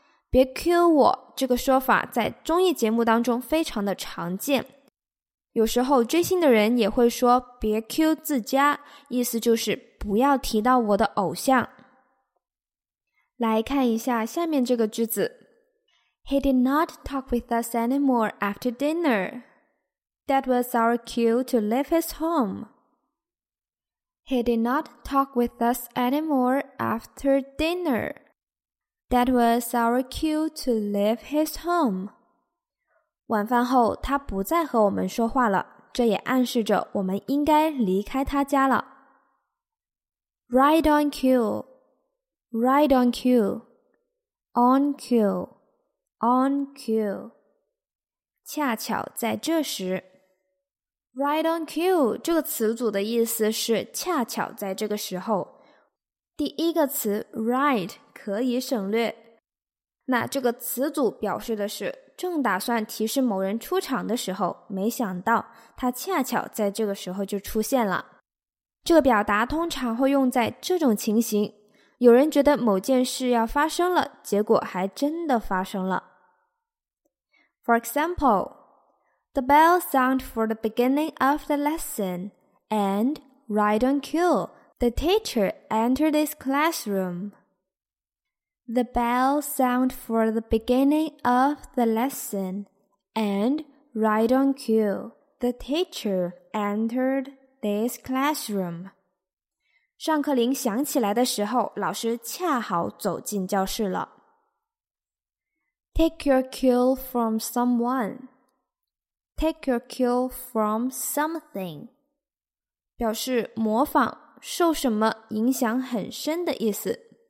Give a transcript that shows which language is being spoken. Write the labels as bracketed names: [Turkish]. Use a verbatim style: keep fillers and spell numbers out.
[Chinese] 别 Q 我这个说法在综艺节目当中非常的常见，有时候追星的人也会说别 Q 自家，意思就是不要提到我的偶像。来看一下下面这个句子。 [English] He did not talk with us anymore after dinner. That was our cue to leave his home. He did not talk with us anymore after dinner. That was our cue to leave his home. [Chinese] 晚饭后他不再和我们说话了，这也暗示着我们应该离开他家了。 [English] Right on cue Right on cue On cue On cue [Chinese] 恰巧在这时。 Right on cue 这个词组的意思是恰巧在这个时候。第一个词 right 可以省略，那这个词组表示的是正打算提示某人出场的时候，没想到他恰巧在这个时候就出现了。这个表达通常会用在这种情形，有人觉得某件事要发生了，结果还真的发生了。 [English] For example, the bell sounded for the beginning of the lesson, and right on cue, the teacher entered his classroom. The bell sounded for the beginning of the lesson, and right on cue, the teacher entered this classroom. [Chinese] 上课铃响起来的时候，老师恰好走进教室了。 [English] Take your cue from someone. Take your cue from something. [Chinese] 表示模仿，受什么影响很深的意思。